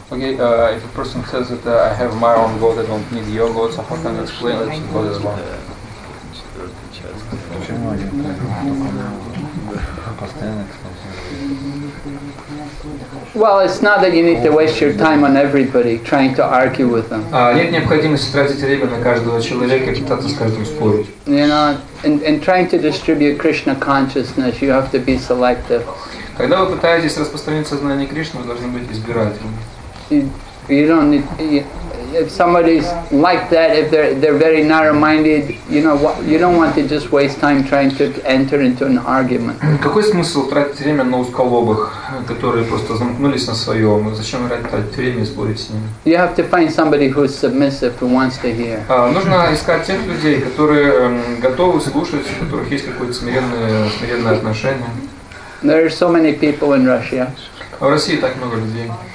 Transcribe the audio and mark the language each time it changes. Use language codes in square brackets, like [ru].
[en] Okay, if a person says that I have my own God, I don't need your God, so how can I explain that God is one? Well, it's not that you need to waste your time on everybody trying to argue with them. [ru] Нет необходимости тратить время на каждого человека и пытаться с каждым спорить. [en] You know, in trying to distribute Krishna consciousness, you have to be selective. [ru] Когда вы пытаетесь распространить сознание Кришны, вы должны быть избирательны. [en] You don't need, if somebody's like that, if they're very narrow-minded, you know, you don't want to just waste time trying to enter into an argument. [ru] Какой смысл тратить время на узколобых, которые просто замкнулись на своем? Зачем тратить время и спорить с ними? [en] You have to find somebody who's submissive, who wants to hear. [ru] Нужно искать тех людей, которые готовы слушать, у которых есть какое-то смиренное отношение. [en] There are so many people in Russia. [ru] В России так много людей.